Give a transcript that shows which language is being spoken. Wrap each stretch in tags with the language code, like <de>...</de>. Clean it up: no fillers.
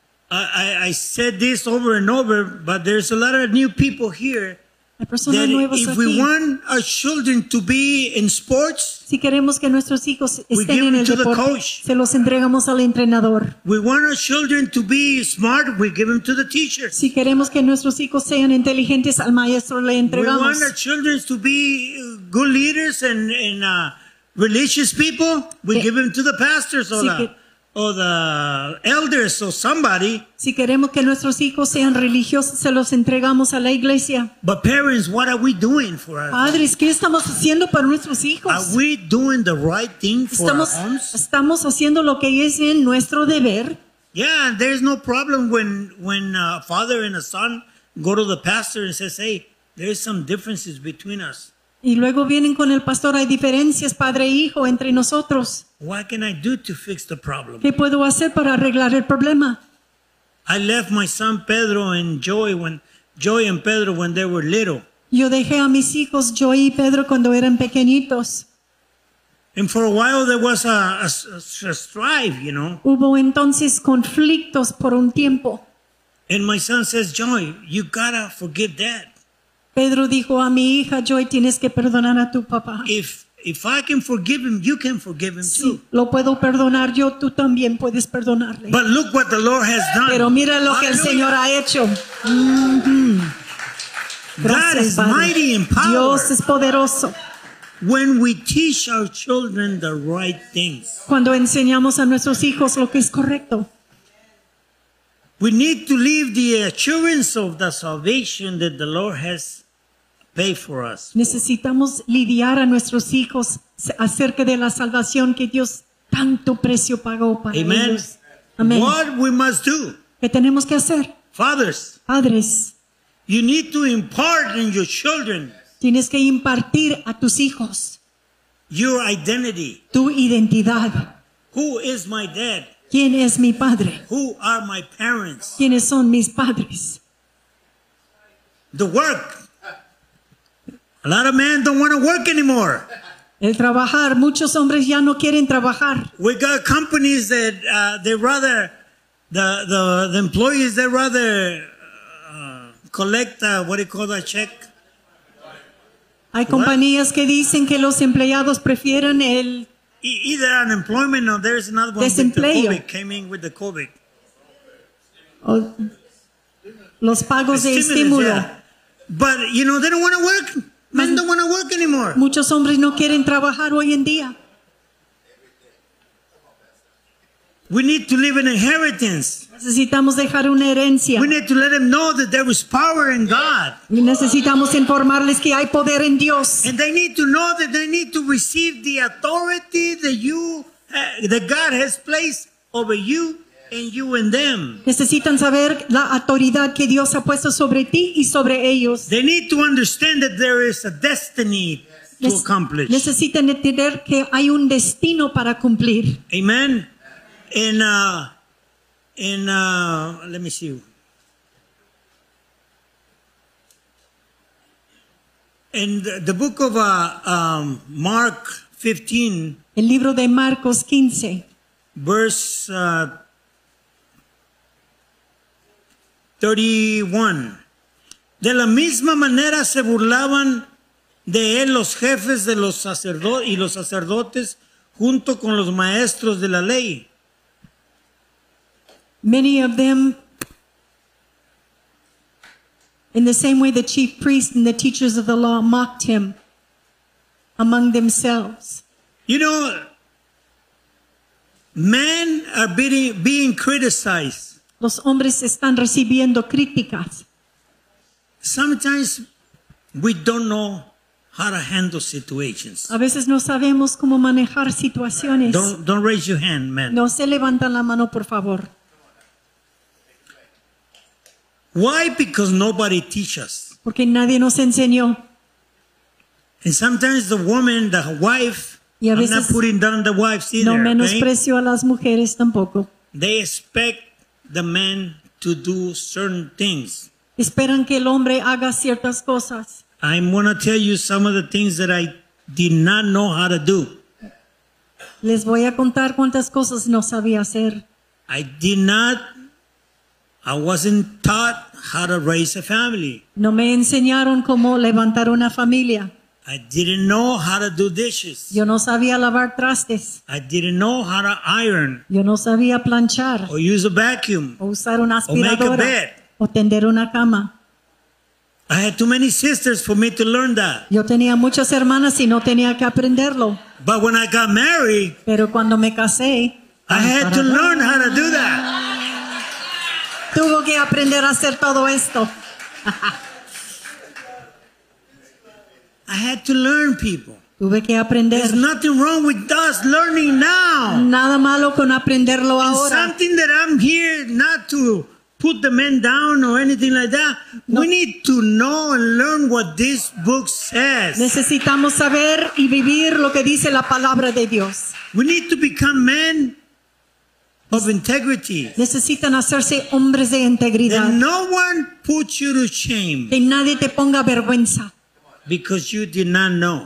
<en>I said this over and over, but there's a lot of new people here. That if we want our children to be in sports,</en> <es>si queremos que nuestros hijos estén en el deporte,</es> <en>we give them to the coach.</en> <es>Se los entregamos al entrenador.</es> <en>We want our children to be smart, we give them to the teacher.</en> <es>Si queremos que nuestros hijos sean inteligentes, al maestro le entregamos.</es> <en>We want our children to be good leaders and religious people, we give them to the pastors or the elders or somebody.</en> <es>Si queremos que nuestros hijos sean religiosos, se los entregamos a la iglesia.</es> <en>But parents, what are we doing for our</en> <es>padres, ¿qué estamos haciendo para nuestros hijos?</es> <en>Are we doing the right thing for</en> <es>estamos,</es> <en>our homes?</en> <es>Estamos haciendo lo que es en nuestro deber.</es> <en>Yeah, and there's no problem when a father and a son go to the pastor and says, hey, there's some differences between us.</en> <es>Y luego vienen con el pastor, hay diferencias, padre e hijo, entre nosotros.</es> <en>What can I do to fix the problem?</en> <es>¿Qué puedo hacer para arreglar el problema?</es> <en>I left my son Pedro and Joy and Pedro when they were little.</en> <es>Yo dejé a mis hijos Joy y Pedro cuando eran pequeñitos.</es> <en>And for a while there was a strife, you know.</en> <es>Hubo entonces conflictos por un tiempo.</es> <en>And my son says, Joy, you gotta forgive dad.</en> <es>Pedro dijo a mi hija Joy, tienes que perdonar a tu papá.</es> <en>If I can forgive him, you can forgive him</en> <es>sí,</es> <en>too.</en> <es>Lo puedo perdonar yo, tú también puedes perdonarle.</es> <en>But look what the Lord has done.</en> <es>Pero mira lo que el Señor ha hecho.</es> <en>God is mighty in power.</en> <es>Dios es poderoso.</es> <en>When we teach our children the right things.</en> <es>Cuando enseñamos a nuestros hijos lo que es correcto.</es> <en>We need to leave the assurance of the salvation that the Lord has pay for us.</en> <es>Necesitamos lidiar a nuestros hijos acerca de la salvación que Dios tanto precio pagó para</es> <en>Amen.</en> <es>Ellos. Amen.</es> <en>What we must do.</en> <es>¿Qué tenemos que hacer?</es> <en>Fathers.</en> <es>Padres.</es> <en>You need to impart in your children.</en> <es>Tienes que impartir a tus hijos.</es> <en>Your identity.</en> <es>Tu identidad.</es> <en>Who is my dad?</en> <es>¿Quién es mi padre?</es> <en>Who are my parents?</en> <es>¿Quiénes son mis padres?</es> <en>The work. A lot of men don't want to work anymore.</en> <es>El trabajar, muchos hombres ya no quieren trabajar.</es> <en>We got companies that they rather the employees they rather collect what do you call that check?</en> <es>Hay compañías que dicen que los empleados prefieren el</es> <en>either unemployment or there's another one</en> <es>desempleo.</es> <en>With the COVID came in with the COVID.</en> <es>Los pagos de estímulo.</es> <en>But you know they don't want to work. Men don't want to work anymore.</en> <es>Muchos hombres no quieren trabajar hoy en día.</es> <en>We need to leave an inheritance.</en> <es>Necesitamos dejar una herencia.</es> <en>We need to let them know that there is power in God.</en> <es>Necesitamos informarles que hay poder en Dios.</es> <en>And they need to know that they need to receive the authority that you, that God has placed over you and you and them.</en> <es>Necesitan saber la autoridad que Dios ha puesto sobre ti y sobre ellos.</es> <en>They need to understand that there is a destiny to accomplish.</en> <es>Necesitan entender que hay un destino para cumplir.</es> <en>Amen. And let me see. In the book of Mark 15.</en> <es>El libro de Marcos 15.</es> <en>Verse 31.</en> <es>De la misma manera se burlaban de él los jefes de los sacerdotes y los sacerdotes junto con los maestros de la ley.</es> <en>Many of them, in the same way the chief priests and the teachers of the law mocked him among themselves. You know, men are being criticized.</en> <es>Los hombres están recibiendo críticas.</es> <en>Sometimes we don't know how to handle situations.</en> <es>A veces no sabemos cómo manejar situaciones.</es> <en>Don't raise your hand, man.</en> <es>No se levantan la mano, por favor.</es> <en>Why? Because nobody teaches us.</en> <es>Porque nadie nos enseñó.</es> <en>And sometimes the woman, the wife,</en> <es>veces,</es> <en>I'm not putting down the wives either.</en> <es>No menosprecio</es> <en>okay?</en> <es>A las mujeres tampoco.</es> <en>They expect the man to do certain things.</en> <es>Esperan que el hombre haga ciertas cosas.</es> <en>I'm going to tell you some of the things that I did not know how to do.</en> <es>Les voy a contar cuántas cosas no sabía hacer.</es> <en>I wasn't taught how to raise a family.</en> <es>No me enseñaron cómo levantar una familia.</es> <en>I didn't know how to do dishes.</en> <es>Yo no sabía lavar trastes.</es> <en>I didn't know how to iron.</en> <es>Yo no sabía planchar.</es> <en>Or use a vacuum.</en> <es>O usar una aspiradora.</es> <en>Or make a bed.</en> <es>O tender una cama.</es> <en>I had too many sisters for me to learn that.</en> <es>Yo tenía muchas hermanas y no tenía que aprenderlo.</es> <en>But when I got married,</en> <es>pero cuando me casé,</es> <en>I had to learn how to do that.</en> <es>Tuvo que aprender a hacer todo esto.</es> <en>I had to learn, people.</en> <es>Tuve que aprender.</es> <en>There's nothing wrong with us learning now.</en> <es>Nada malo con aprenderlo</es> <en>and</en> <es>ahora.</es> <en>Something that I'm here not to put the men down or anything like that. No. We need to know and learn what this book says.</en> <es>Necesitamos saber y vivir lo que dice la palabra de Dios.</es> <en>We need to become men of integrity.</en> <es>Necesitan hacerse hombres de integridad.</es> <en>That no one puts you to shame.</en> <es>Que nadie te ponga vergüenza.</es> <en>Because you did not know.</en>